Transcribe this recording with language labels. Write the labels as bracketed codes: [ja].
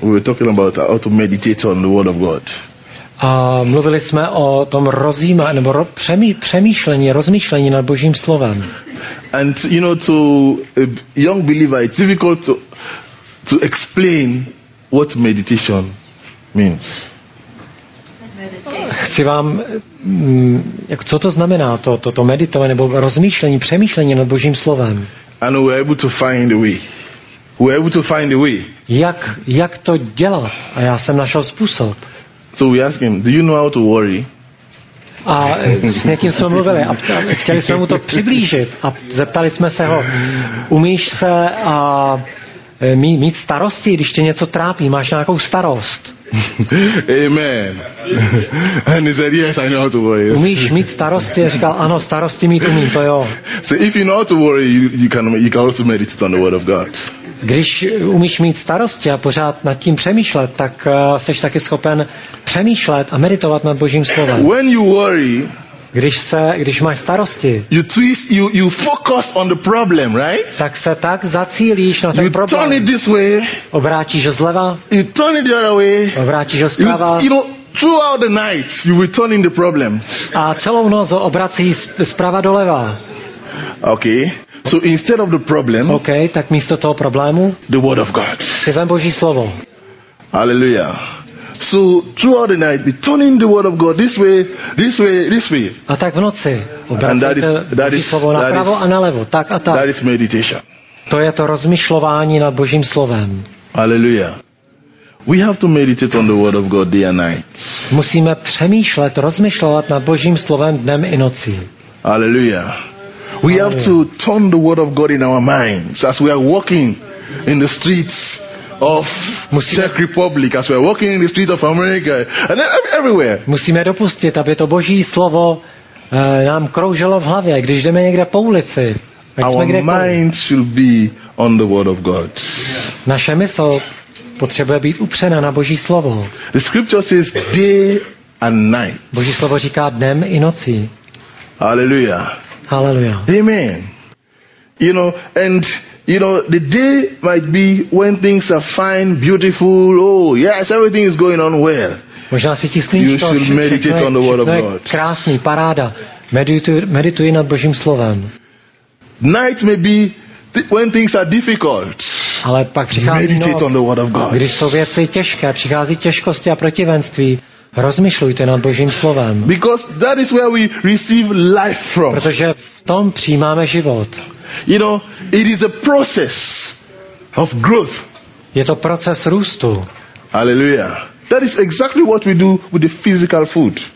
[en] We were talking about how to meditate on the word of God. [cs] A mluvili jsme o tom rozmýšlení nad Božím slovem. [en] And you know, to a young believer, it's difficult to explain what meditation means. [cs] Chci vám, co to znamená, to meditovat nebo rozmýšlení, přemýšlení nad Božím slovem. [en] And we're able to find a way. We're able to find a way. [cs] Jak to dělat? A já jsem našel způsob. [en] So we ask him, do you know how to worry? [cs] A s někým jsme mluvili a chtěli jsme mu to přiblížit a zeptali jsme se ho, umíš se mít starosti, když tě něco trápí, máš nějakou starost. [en] Amen. And he said, yes, I know how to worry. [cs] Umíš mít starosti? Říkal, ano, starosti mít umím, to jo. [en] So if you know how to worry, you can also meditate on the word of God. [cs] Když umíš mít starosti a pořád nad tím přemýšlet, tak jsi taky schopen přemýšlet a meditovat nad Božím slovem. [en] When you worry, [cs] když máš starosti, [en] you focus on the problem, right? [cs] Tak se tak zacílíš na ten [en] you [cs] problém. [en] Turn it this way, [cs] obrátíš ho zleva. [en] You turn it the other way, [cs] obrátíš ho zprava. [en] Throughout the night, you return in the problem. [cs] A celou noc ho obracíš zprava doleva. [en] Okay. So instead of the problem, [cs] okay, tak místo toho problému, [en] the word of God. [cs] Si vem Boží slovo. [en] Hallelujah. So throughout the night, be turning the word of God this way, this way, this way. [cs] A tak v noci obracíte Boží slovo napravo a nalevo, tak a tak. [en] That is meditation. [cs] To je to rozmyšlování nad Božím slovem. [en] Hallelujah. We have to meditate on the word of God day and night. [cs] Musíme přemýšlet, rozmyšlovat nad Božím slovem dnem i nocí. [en] Hallelujah. We have to turn the word of God in our minds as we are walking in the streets of Czech Republic, as we are walking in the streets of America, and everywhere. [cs] Musíme dopustit, aby to Boží slovo nám kroužilo v hlavě, když jdeme někde po ulici. [en] Our minds should be on the word of God. [cs] Naše mysl potřebuje být upřena na Boží slovo. [en] The scripture says day and night. [cs] Boží slovo říká dnem i noci. [en] Hallelujah. Hallelujah. Amen. You know, and you know, the day might be when things are fine, beautiful. Oh, yes, everything is going on well. [cs] Možná si tiskneš to. [en] You should meditate on the word of God. [cs] Krásný, paráda. Medituj nad Božím slovem. [en] Night may be when things are difficult. [cs] Ale pak přichází [en] meditate [cs] noc, [en] on the word of God. [cs] Když jsou věci těžké, přichází těžkosti a protivenství. Rozmyšlujte nad Božím slovem. [en] Because that is where we receive life from. [cs] Protože v tom přijímáme život. [en] You know, it is a process of growth. [cs] Je to proces růstu. [en] Hallelujah. That is exactly what we do with the physical food.